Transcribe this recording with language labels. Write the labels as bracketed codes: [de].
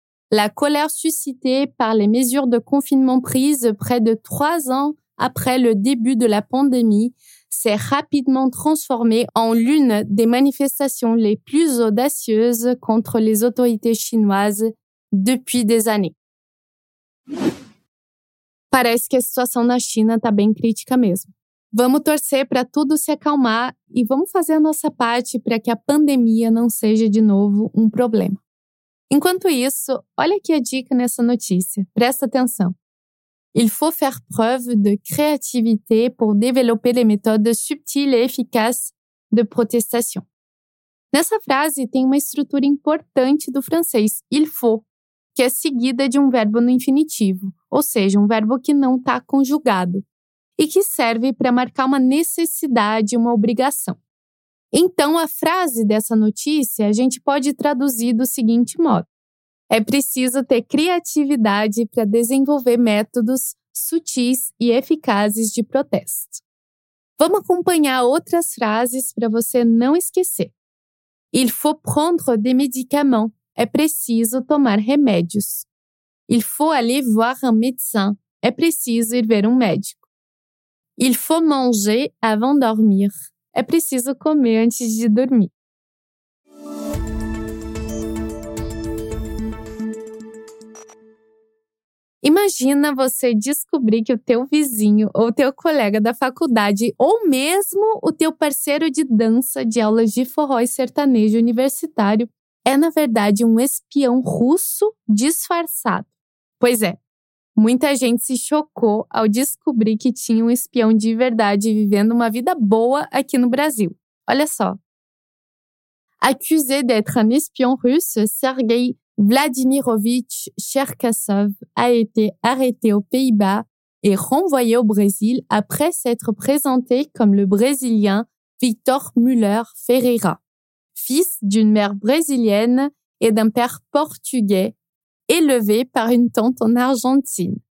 [fr] La colère suscitée par les mesures de confinement prises près de 3 ans après le début de la pandémie s'est rapidement transformée en l'une des manifestations les plus audacieuses contre les autorités chinoises depuis des années. [pt] Parece que a situação na China está bem crítica mesmo. Vamos torcer para tudo se acalmar e vamos fazer a nossa parte para que a pandemia não seja de novo problema. Enquanto isso, olha aqui a dica nessa notícia. Presta atenção. [fr] Il faut faire preuve de créativité pour développer les méthodes subtiles et efficaces de protestation. [pt] Nessa frase tem uma estrutura importante do francês, il faut, que é seguida de verbo no infinitivo, ou seja, verbo que não está conjugado, e que serve para marcar uma necessidade, uma obrigação. Então, a frase dessa notícia a gente pode traduzir do seguinte modo. É preciso ter criatividade para desenvolver métodos sutis e eficazes de protesto. Vamos acompanhar outras frases para você não esquecer. [fr] Il faut prendre des médicaments. [pt] É preciso tomar remédios. [fr] Il faut aller voir un médecin. [pt] É preciso ir ver médico. [fr] Il faut manger avant dormir. [pt] É preciso comer antes de dormir. Imagina você descobrir que o teu vizinho ou teu colega da faculdade ou mesmo o teu parceiro de dança de aulas de forró e sertanejo universitário é, na verdade, espião russo disfarçado. Pois é, muita gente se chocou ao descobrir que tinha espião de verdade vivendo uma vida boa aqui no Brasil. Olha só. [fr] Accusé d'être espião russe, Sergei Vladimirovich Cherkasov a été arrêté aux Pays-Bas et renvoyé au Brésil après s'être présenté comme le Brésilien Victor Müller Ferreira, fils d'une mère brésilienne et d'un père portugais, élevé par une tante en Argentine.